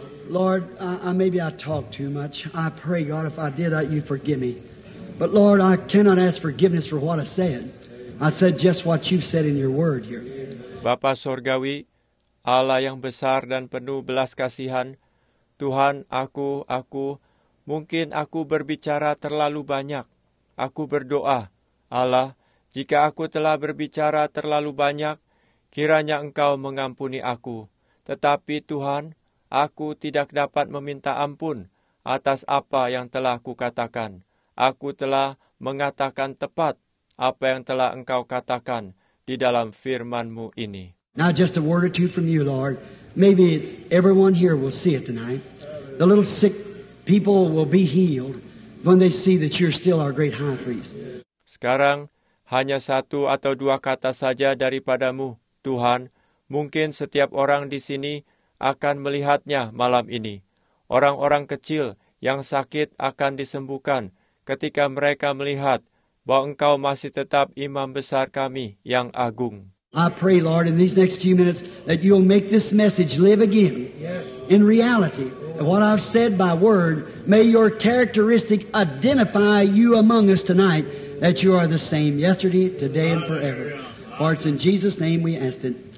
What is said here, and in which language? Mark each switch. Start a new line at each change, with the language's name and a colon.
English: Lord, maybe I talk too much. I pray, God, if I did, you forgive me. But Lord, I cannot ask forgiveness for what I said. I said just what you said in your word here.
Indonesian: Bapa Sorgawi, Allah yang besar dan penuh belas kasihan, Tuhan, aku, mungkin aku berbicara terlalu banyak. Aku berdoa, Allah, jika aku telah berbicara terlalu banyak, kiranya Engkau mengampuni aku. Tetapi Tuhan, aku tidak dapat meminta ampun atas apa yang telah kukatakan. Aku telah mengatakan tepat apa yang telah Engkau katakan di dalam firman-Mu ini.
English: Now just a word or two from you, Lord. Maybe everyone here will see it tonight. The little sick people will be healed when they see that you're still our great high priest.
Indonesian: Sekarang, hanya satu atau dua kata saja daripada-Mu, Tuhan. Mungkin setiap orang di sini akan melihatnya malam ini. Orang-orang kecil yang sakit akan disembuhkan ketika mereka melihat bahwa Engkau masih tetap imam besar kami yang agung.
English: I pray, Lord, in these next few minutes that you'll make this message live again. In reality, what I've said by word, may your characteristic identify you among us tonight, that you are the same yesterday, today, and forever. For it's in Jesus' name we ask it.